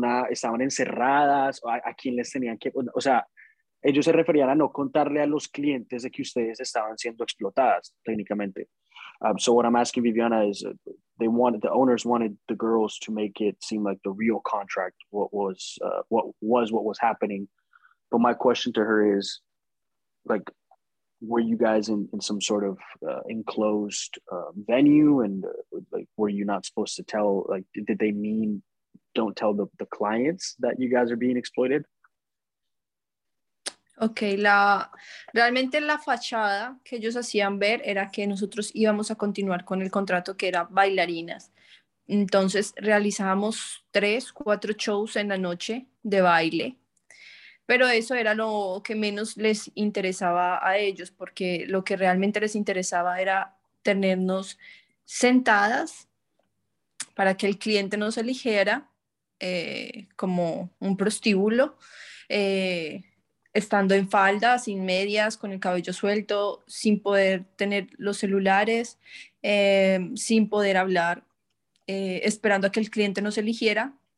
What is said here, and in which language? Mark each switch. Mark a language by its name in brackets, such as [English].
[Spanish] ¿Estaban encerradas? ¿A quién les tenían que...? O sea, ellos se referían a no contarle a los clientes de que ustedes estaban siendo explotadas, técnicamente. [English] So what I'm asking Viviana is, the owners wanted the girls to make it seem like the real contract, what was happening. But my question to her is, like, were you guys in some sort of enclosed venue, and like, were you not supposed to tell? Like, did they mean don't tell the clients that you guys are being exploited? [Spanish] Okay, realmente la fachada que ellos hacían ver era que nosotros íbamos a continuar con el contrato, que era bailarinas. Entonces realizábamos 3-4 shows en la noche de baile. Pero eso era lo que menos les interesaba a ellos, porque lo que realmente les interesaba era tenernos sentadas para que el cliente nos eligiera como un prostíbulo, estando en falda, sin medias, con el cabello suelto, sin poder tener los celulares, sin poder hablar, esperando a que el cliente nos eligiera.